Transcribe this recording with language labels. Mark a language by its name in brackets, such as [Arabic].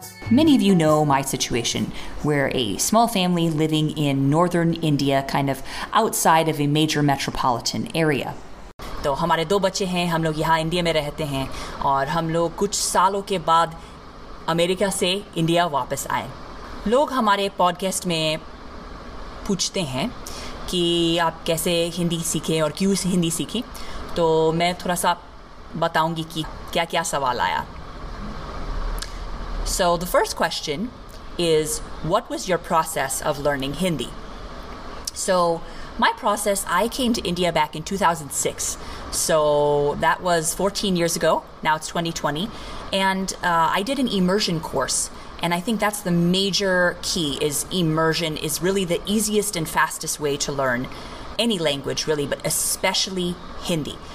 [English] Many of you know my situation. We're a small family living in northern India, kind of outside of a major metropolitan area. [Hindi] तो हमारे दो बच्चे हैं, हम लोग यहाँ इंडिया में रहते हैं और हम लोग कुछ सालों के बाद अमेरिका से इंडिया वापस आए. लोग हमारे पॉडकास्ट में पूछते हैं कि आप कैसे हिंदी सीखें और क्यों हिंदी सीखी, तो मैं थोड़ा सा बताऊंगी कि क्या क्या सवाल आया. [English] So the first question is, what was your process of learning Hindi? So My process, I came to India back in 2006. So that was 14 years ago. Now it's 2020. And I did an immersion course. And I think that's the major key, is immersion is really the easiest and fastest way to learn any language, really, but especially Hindi.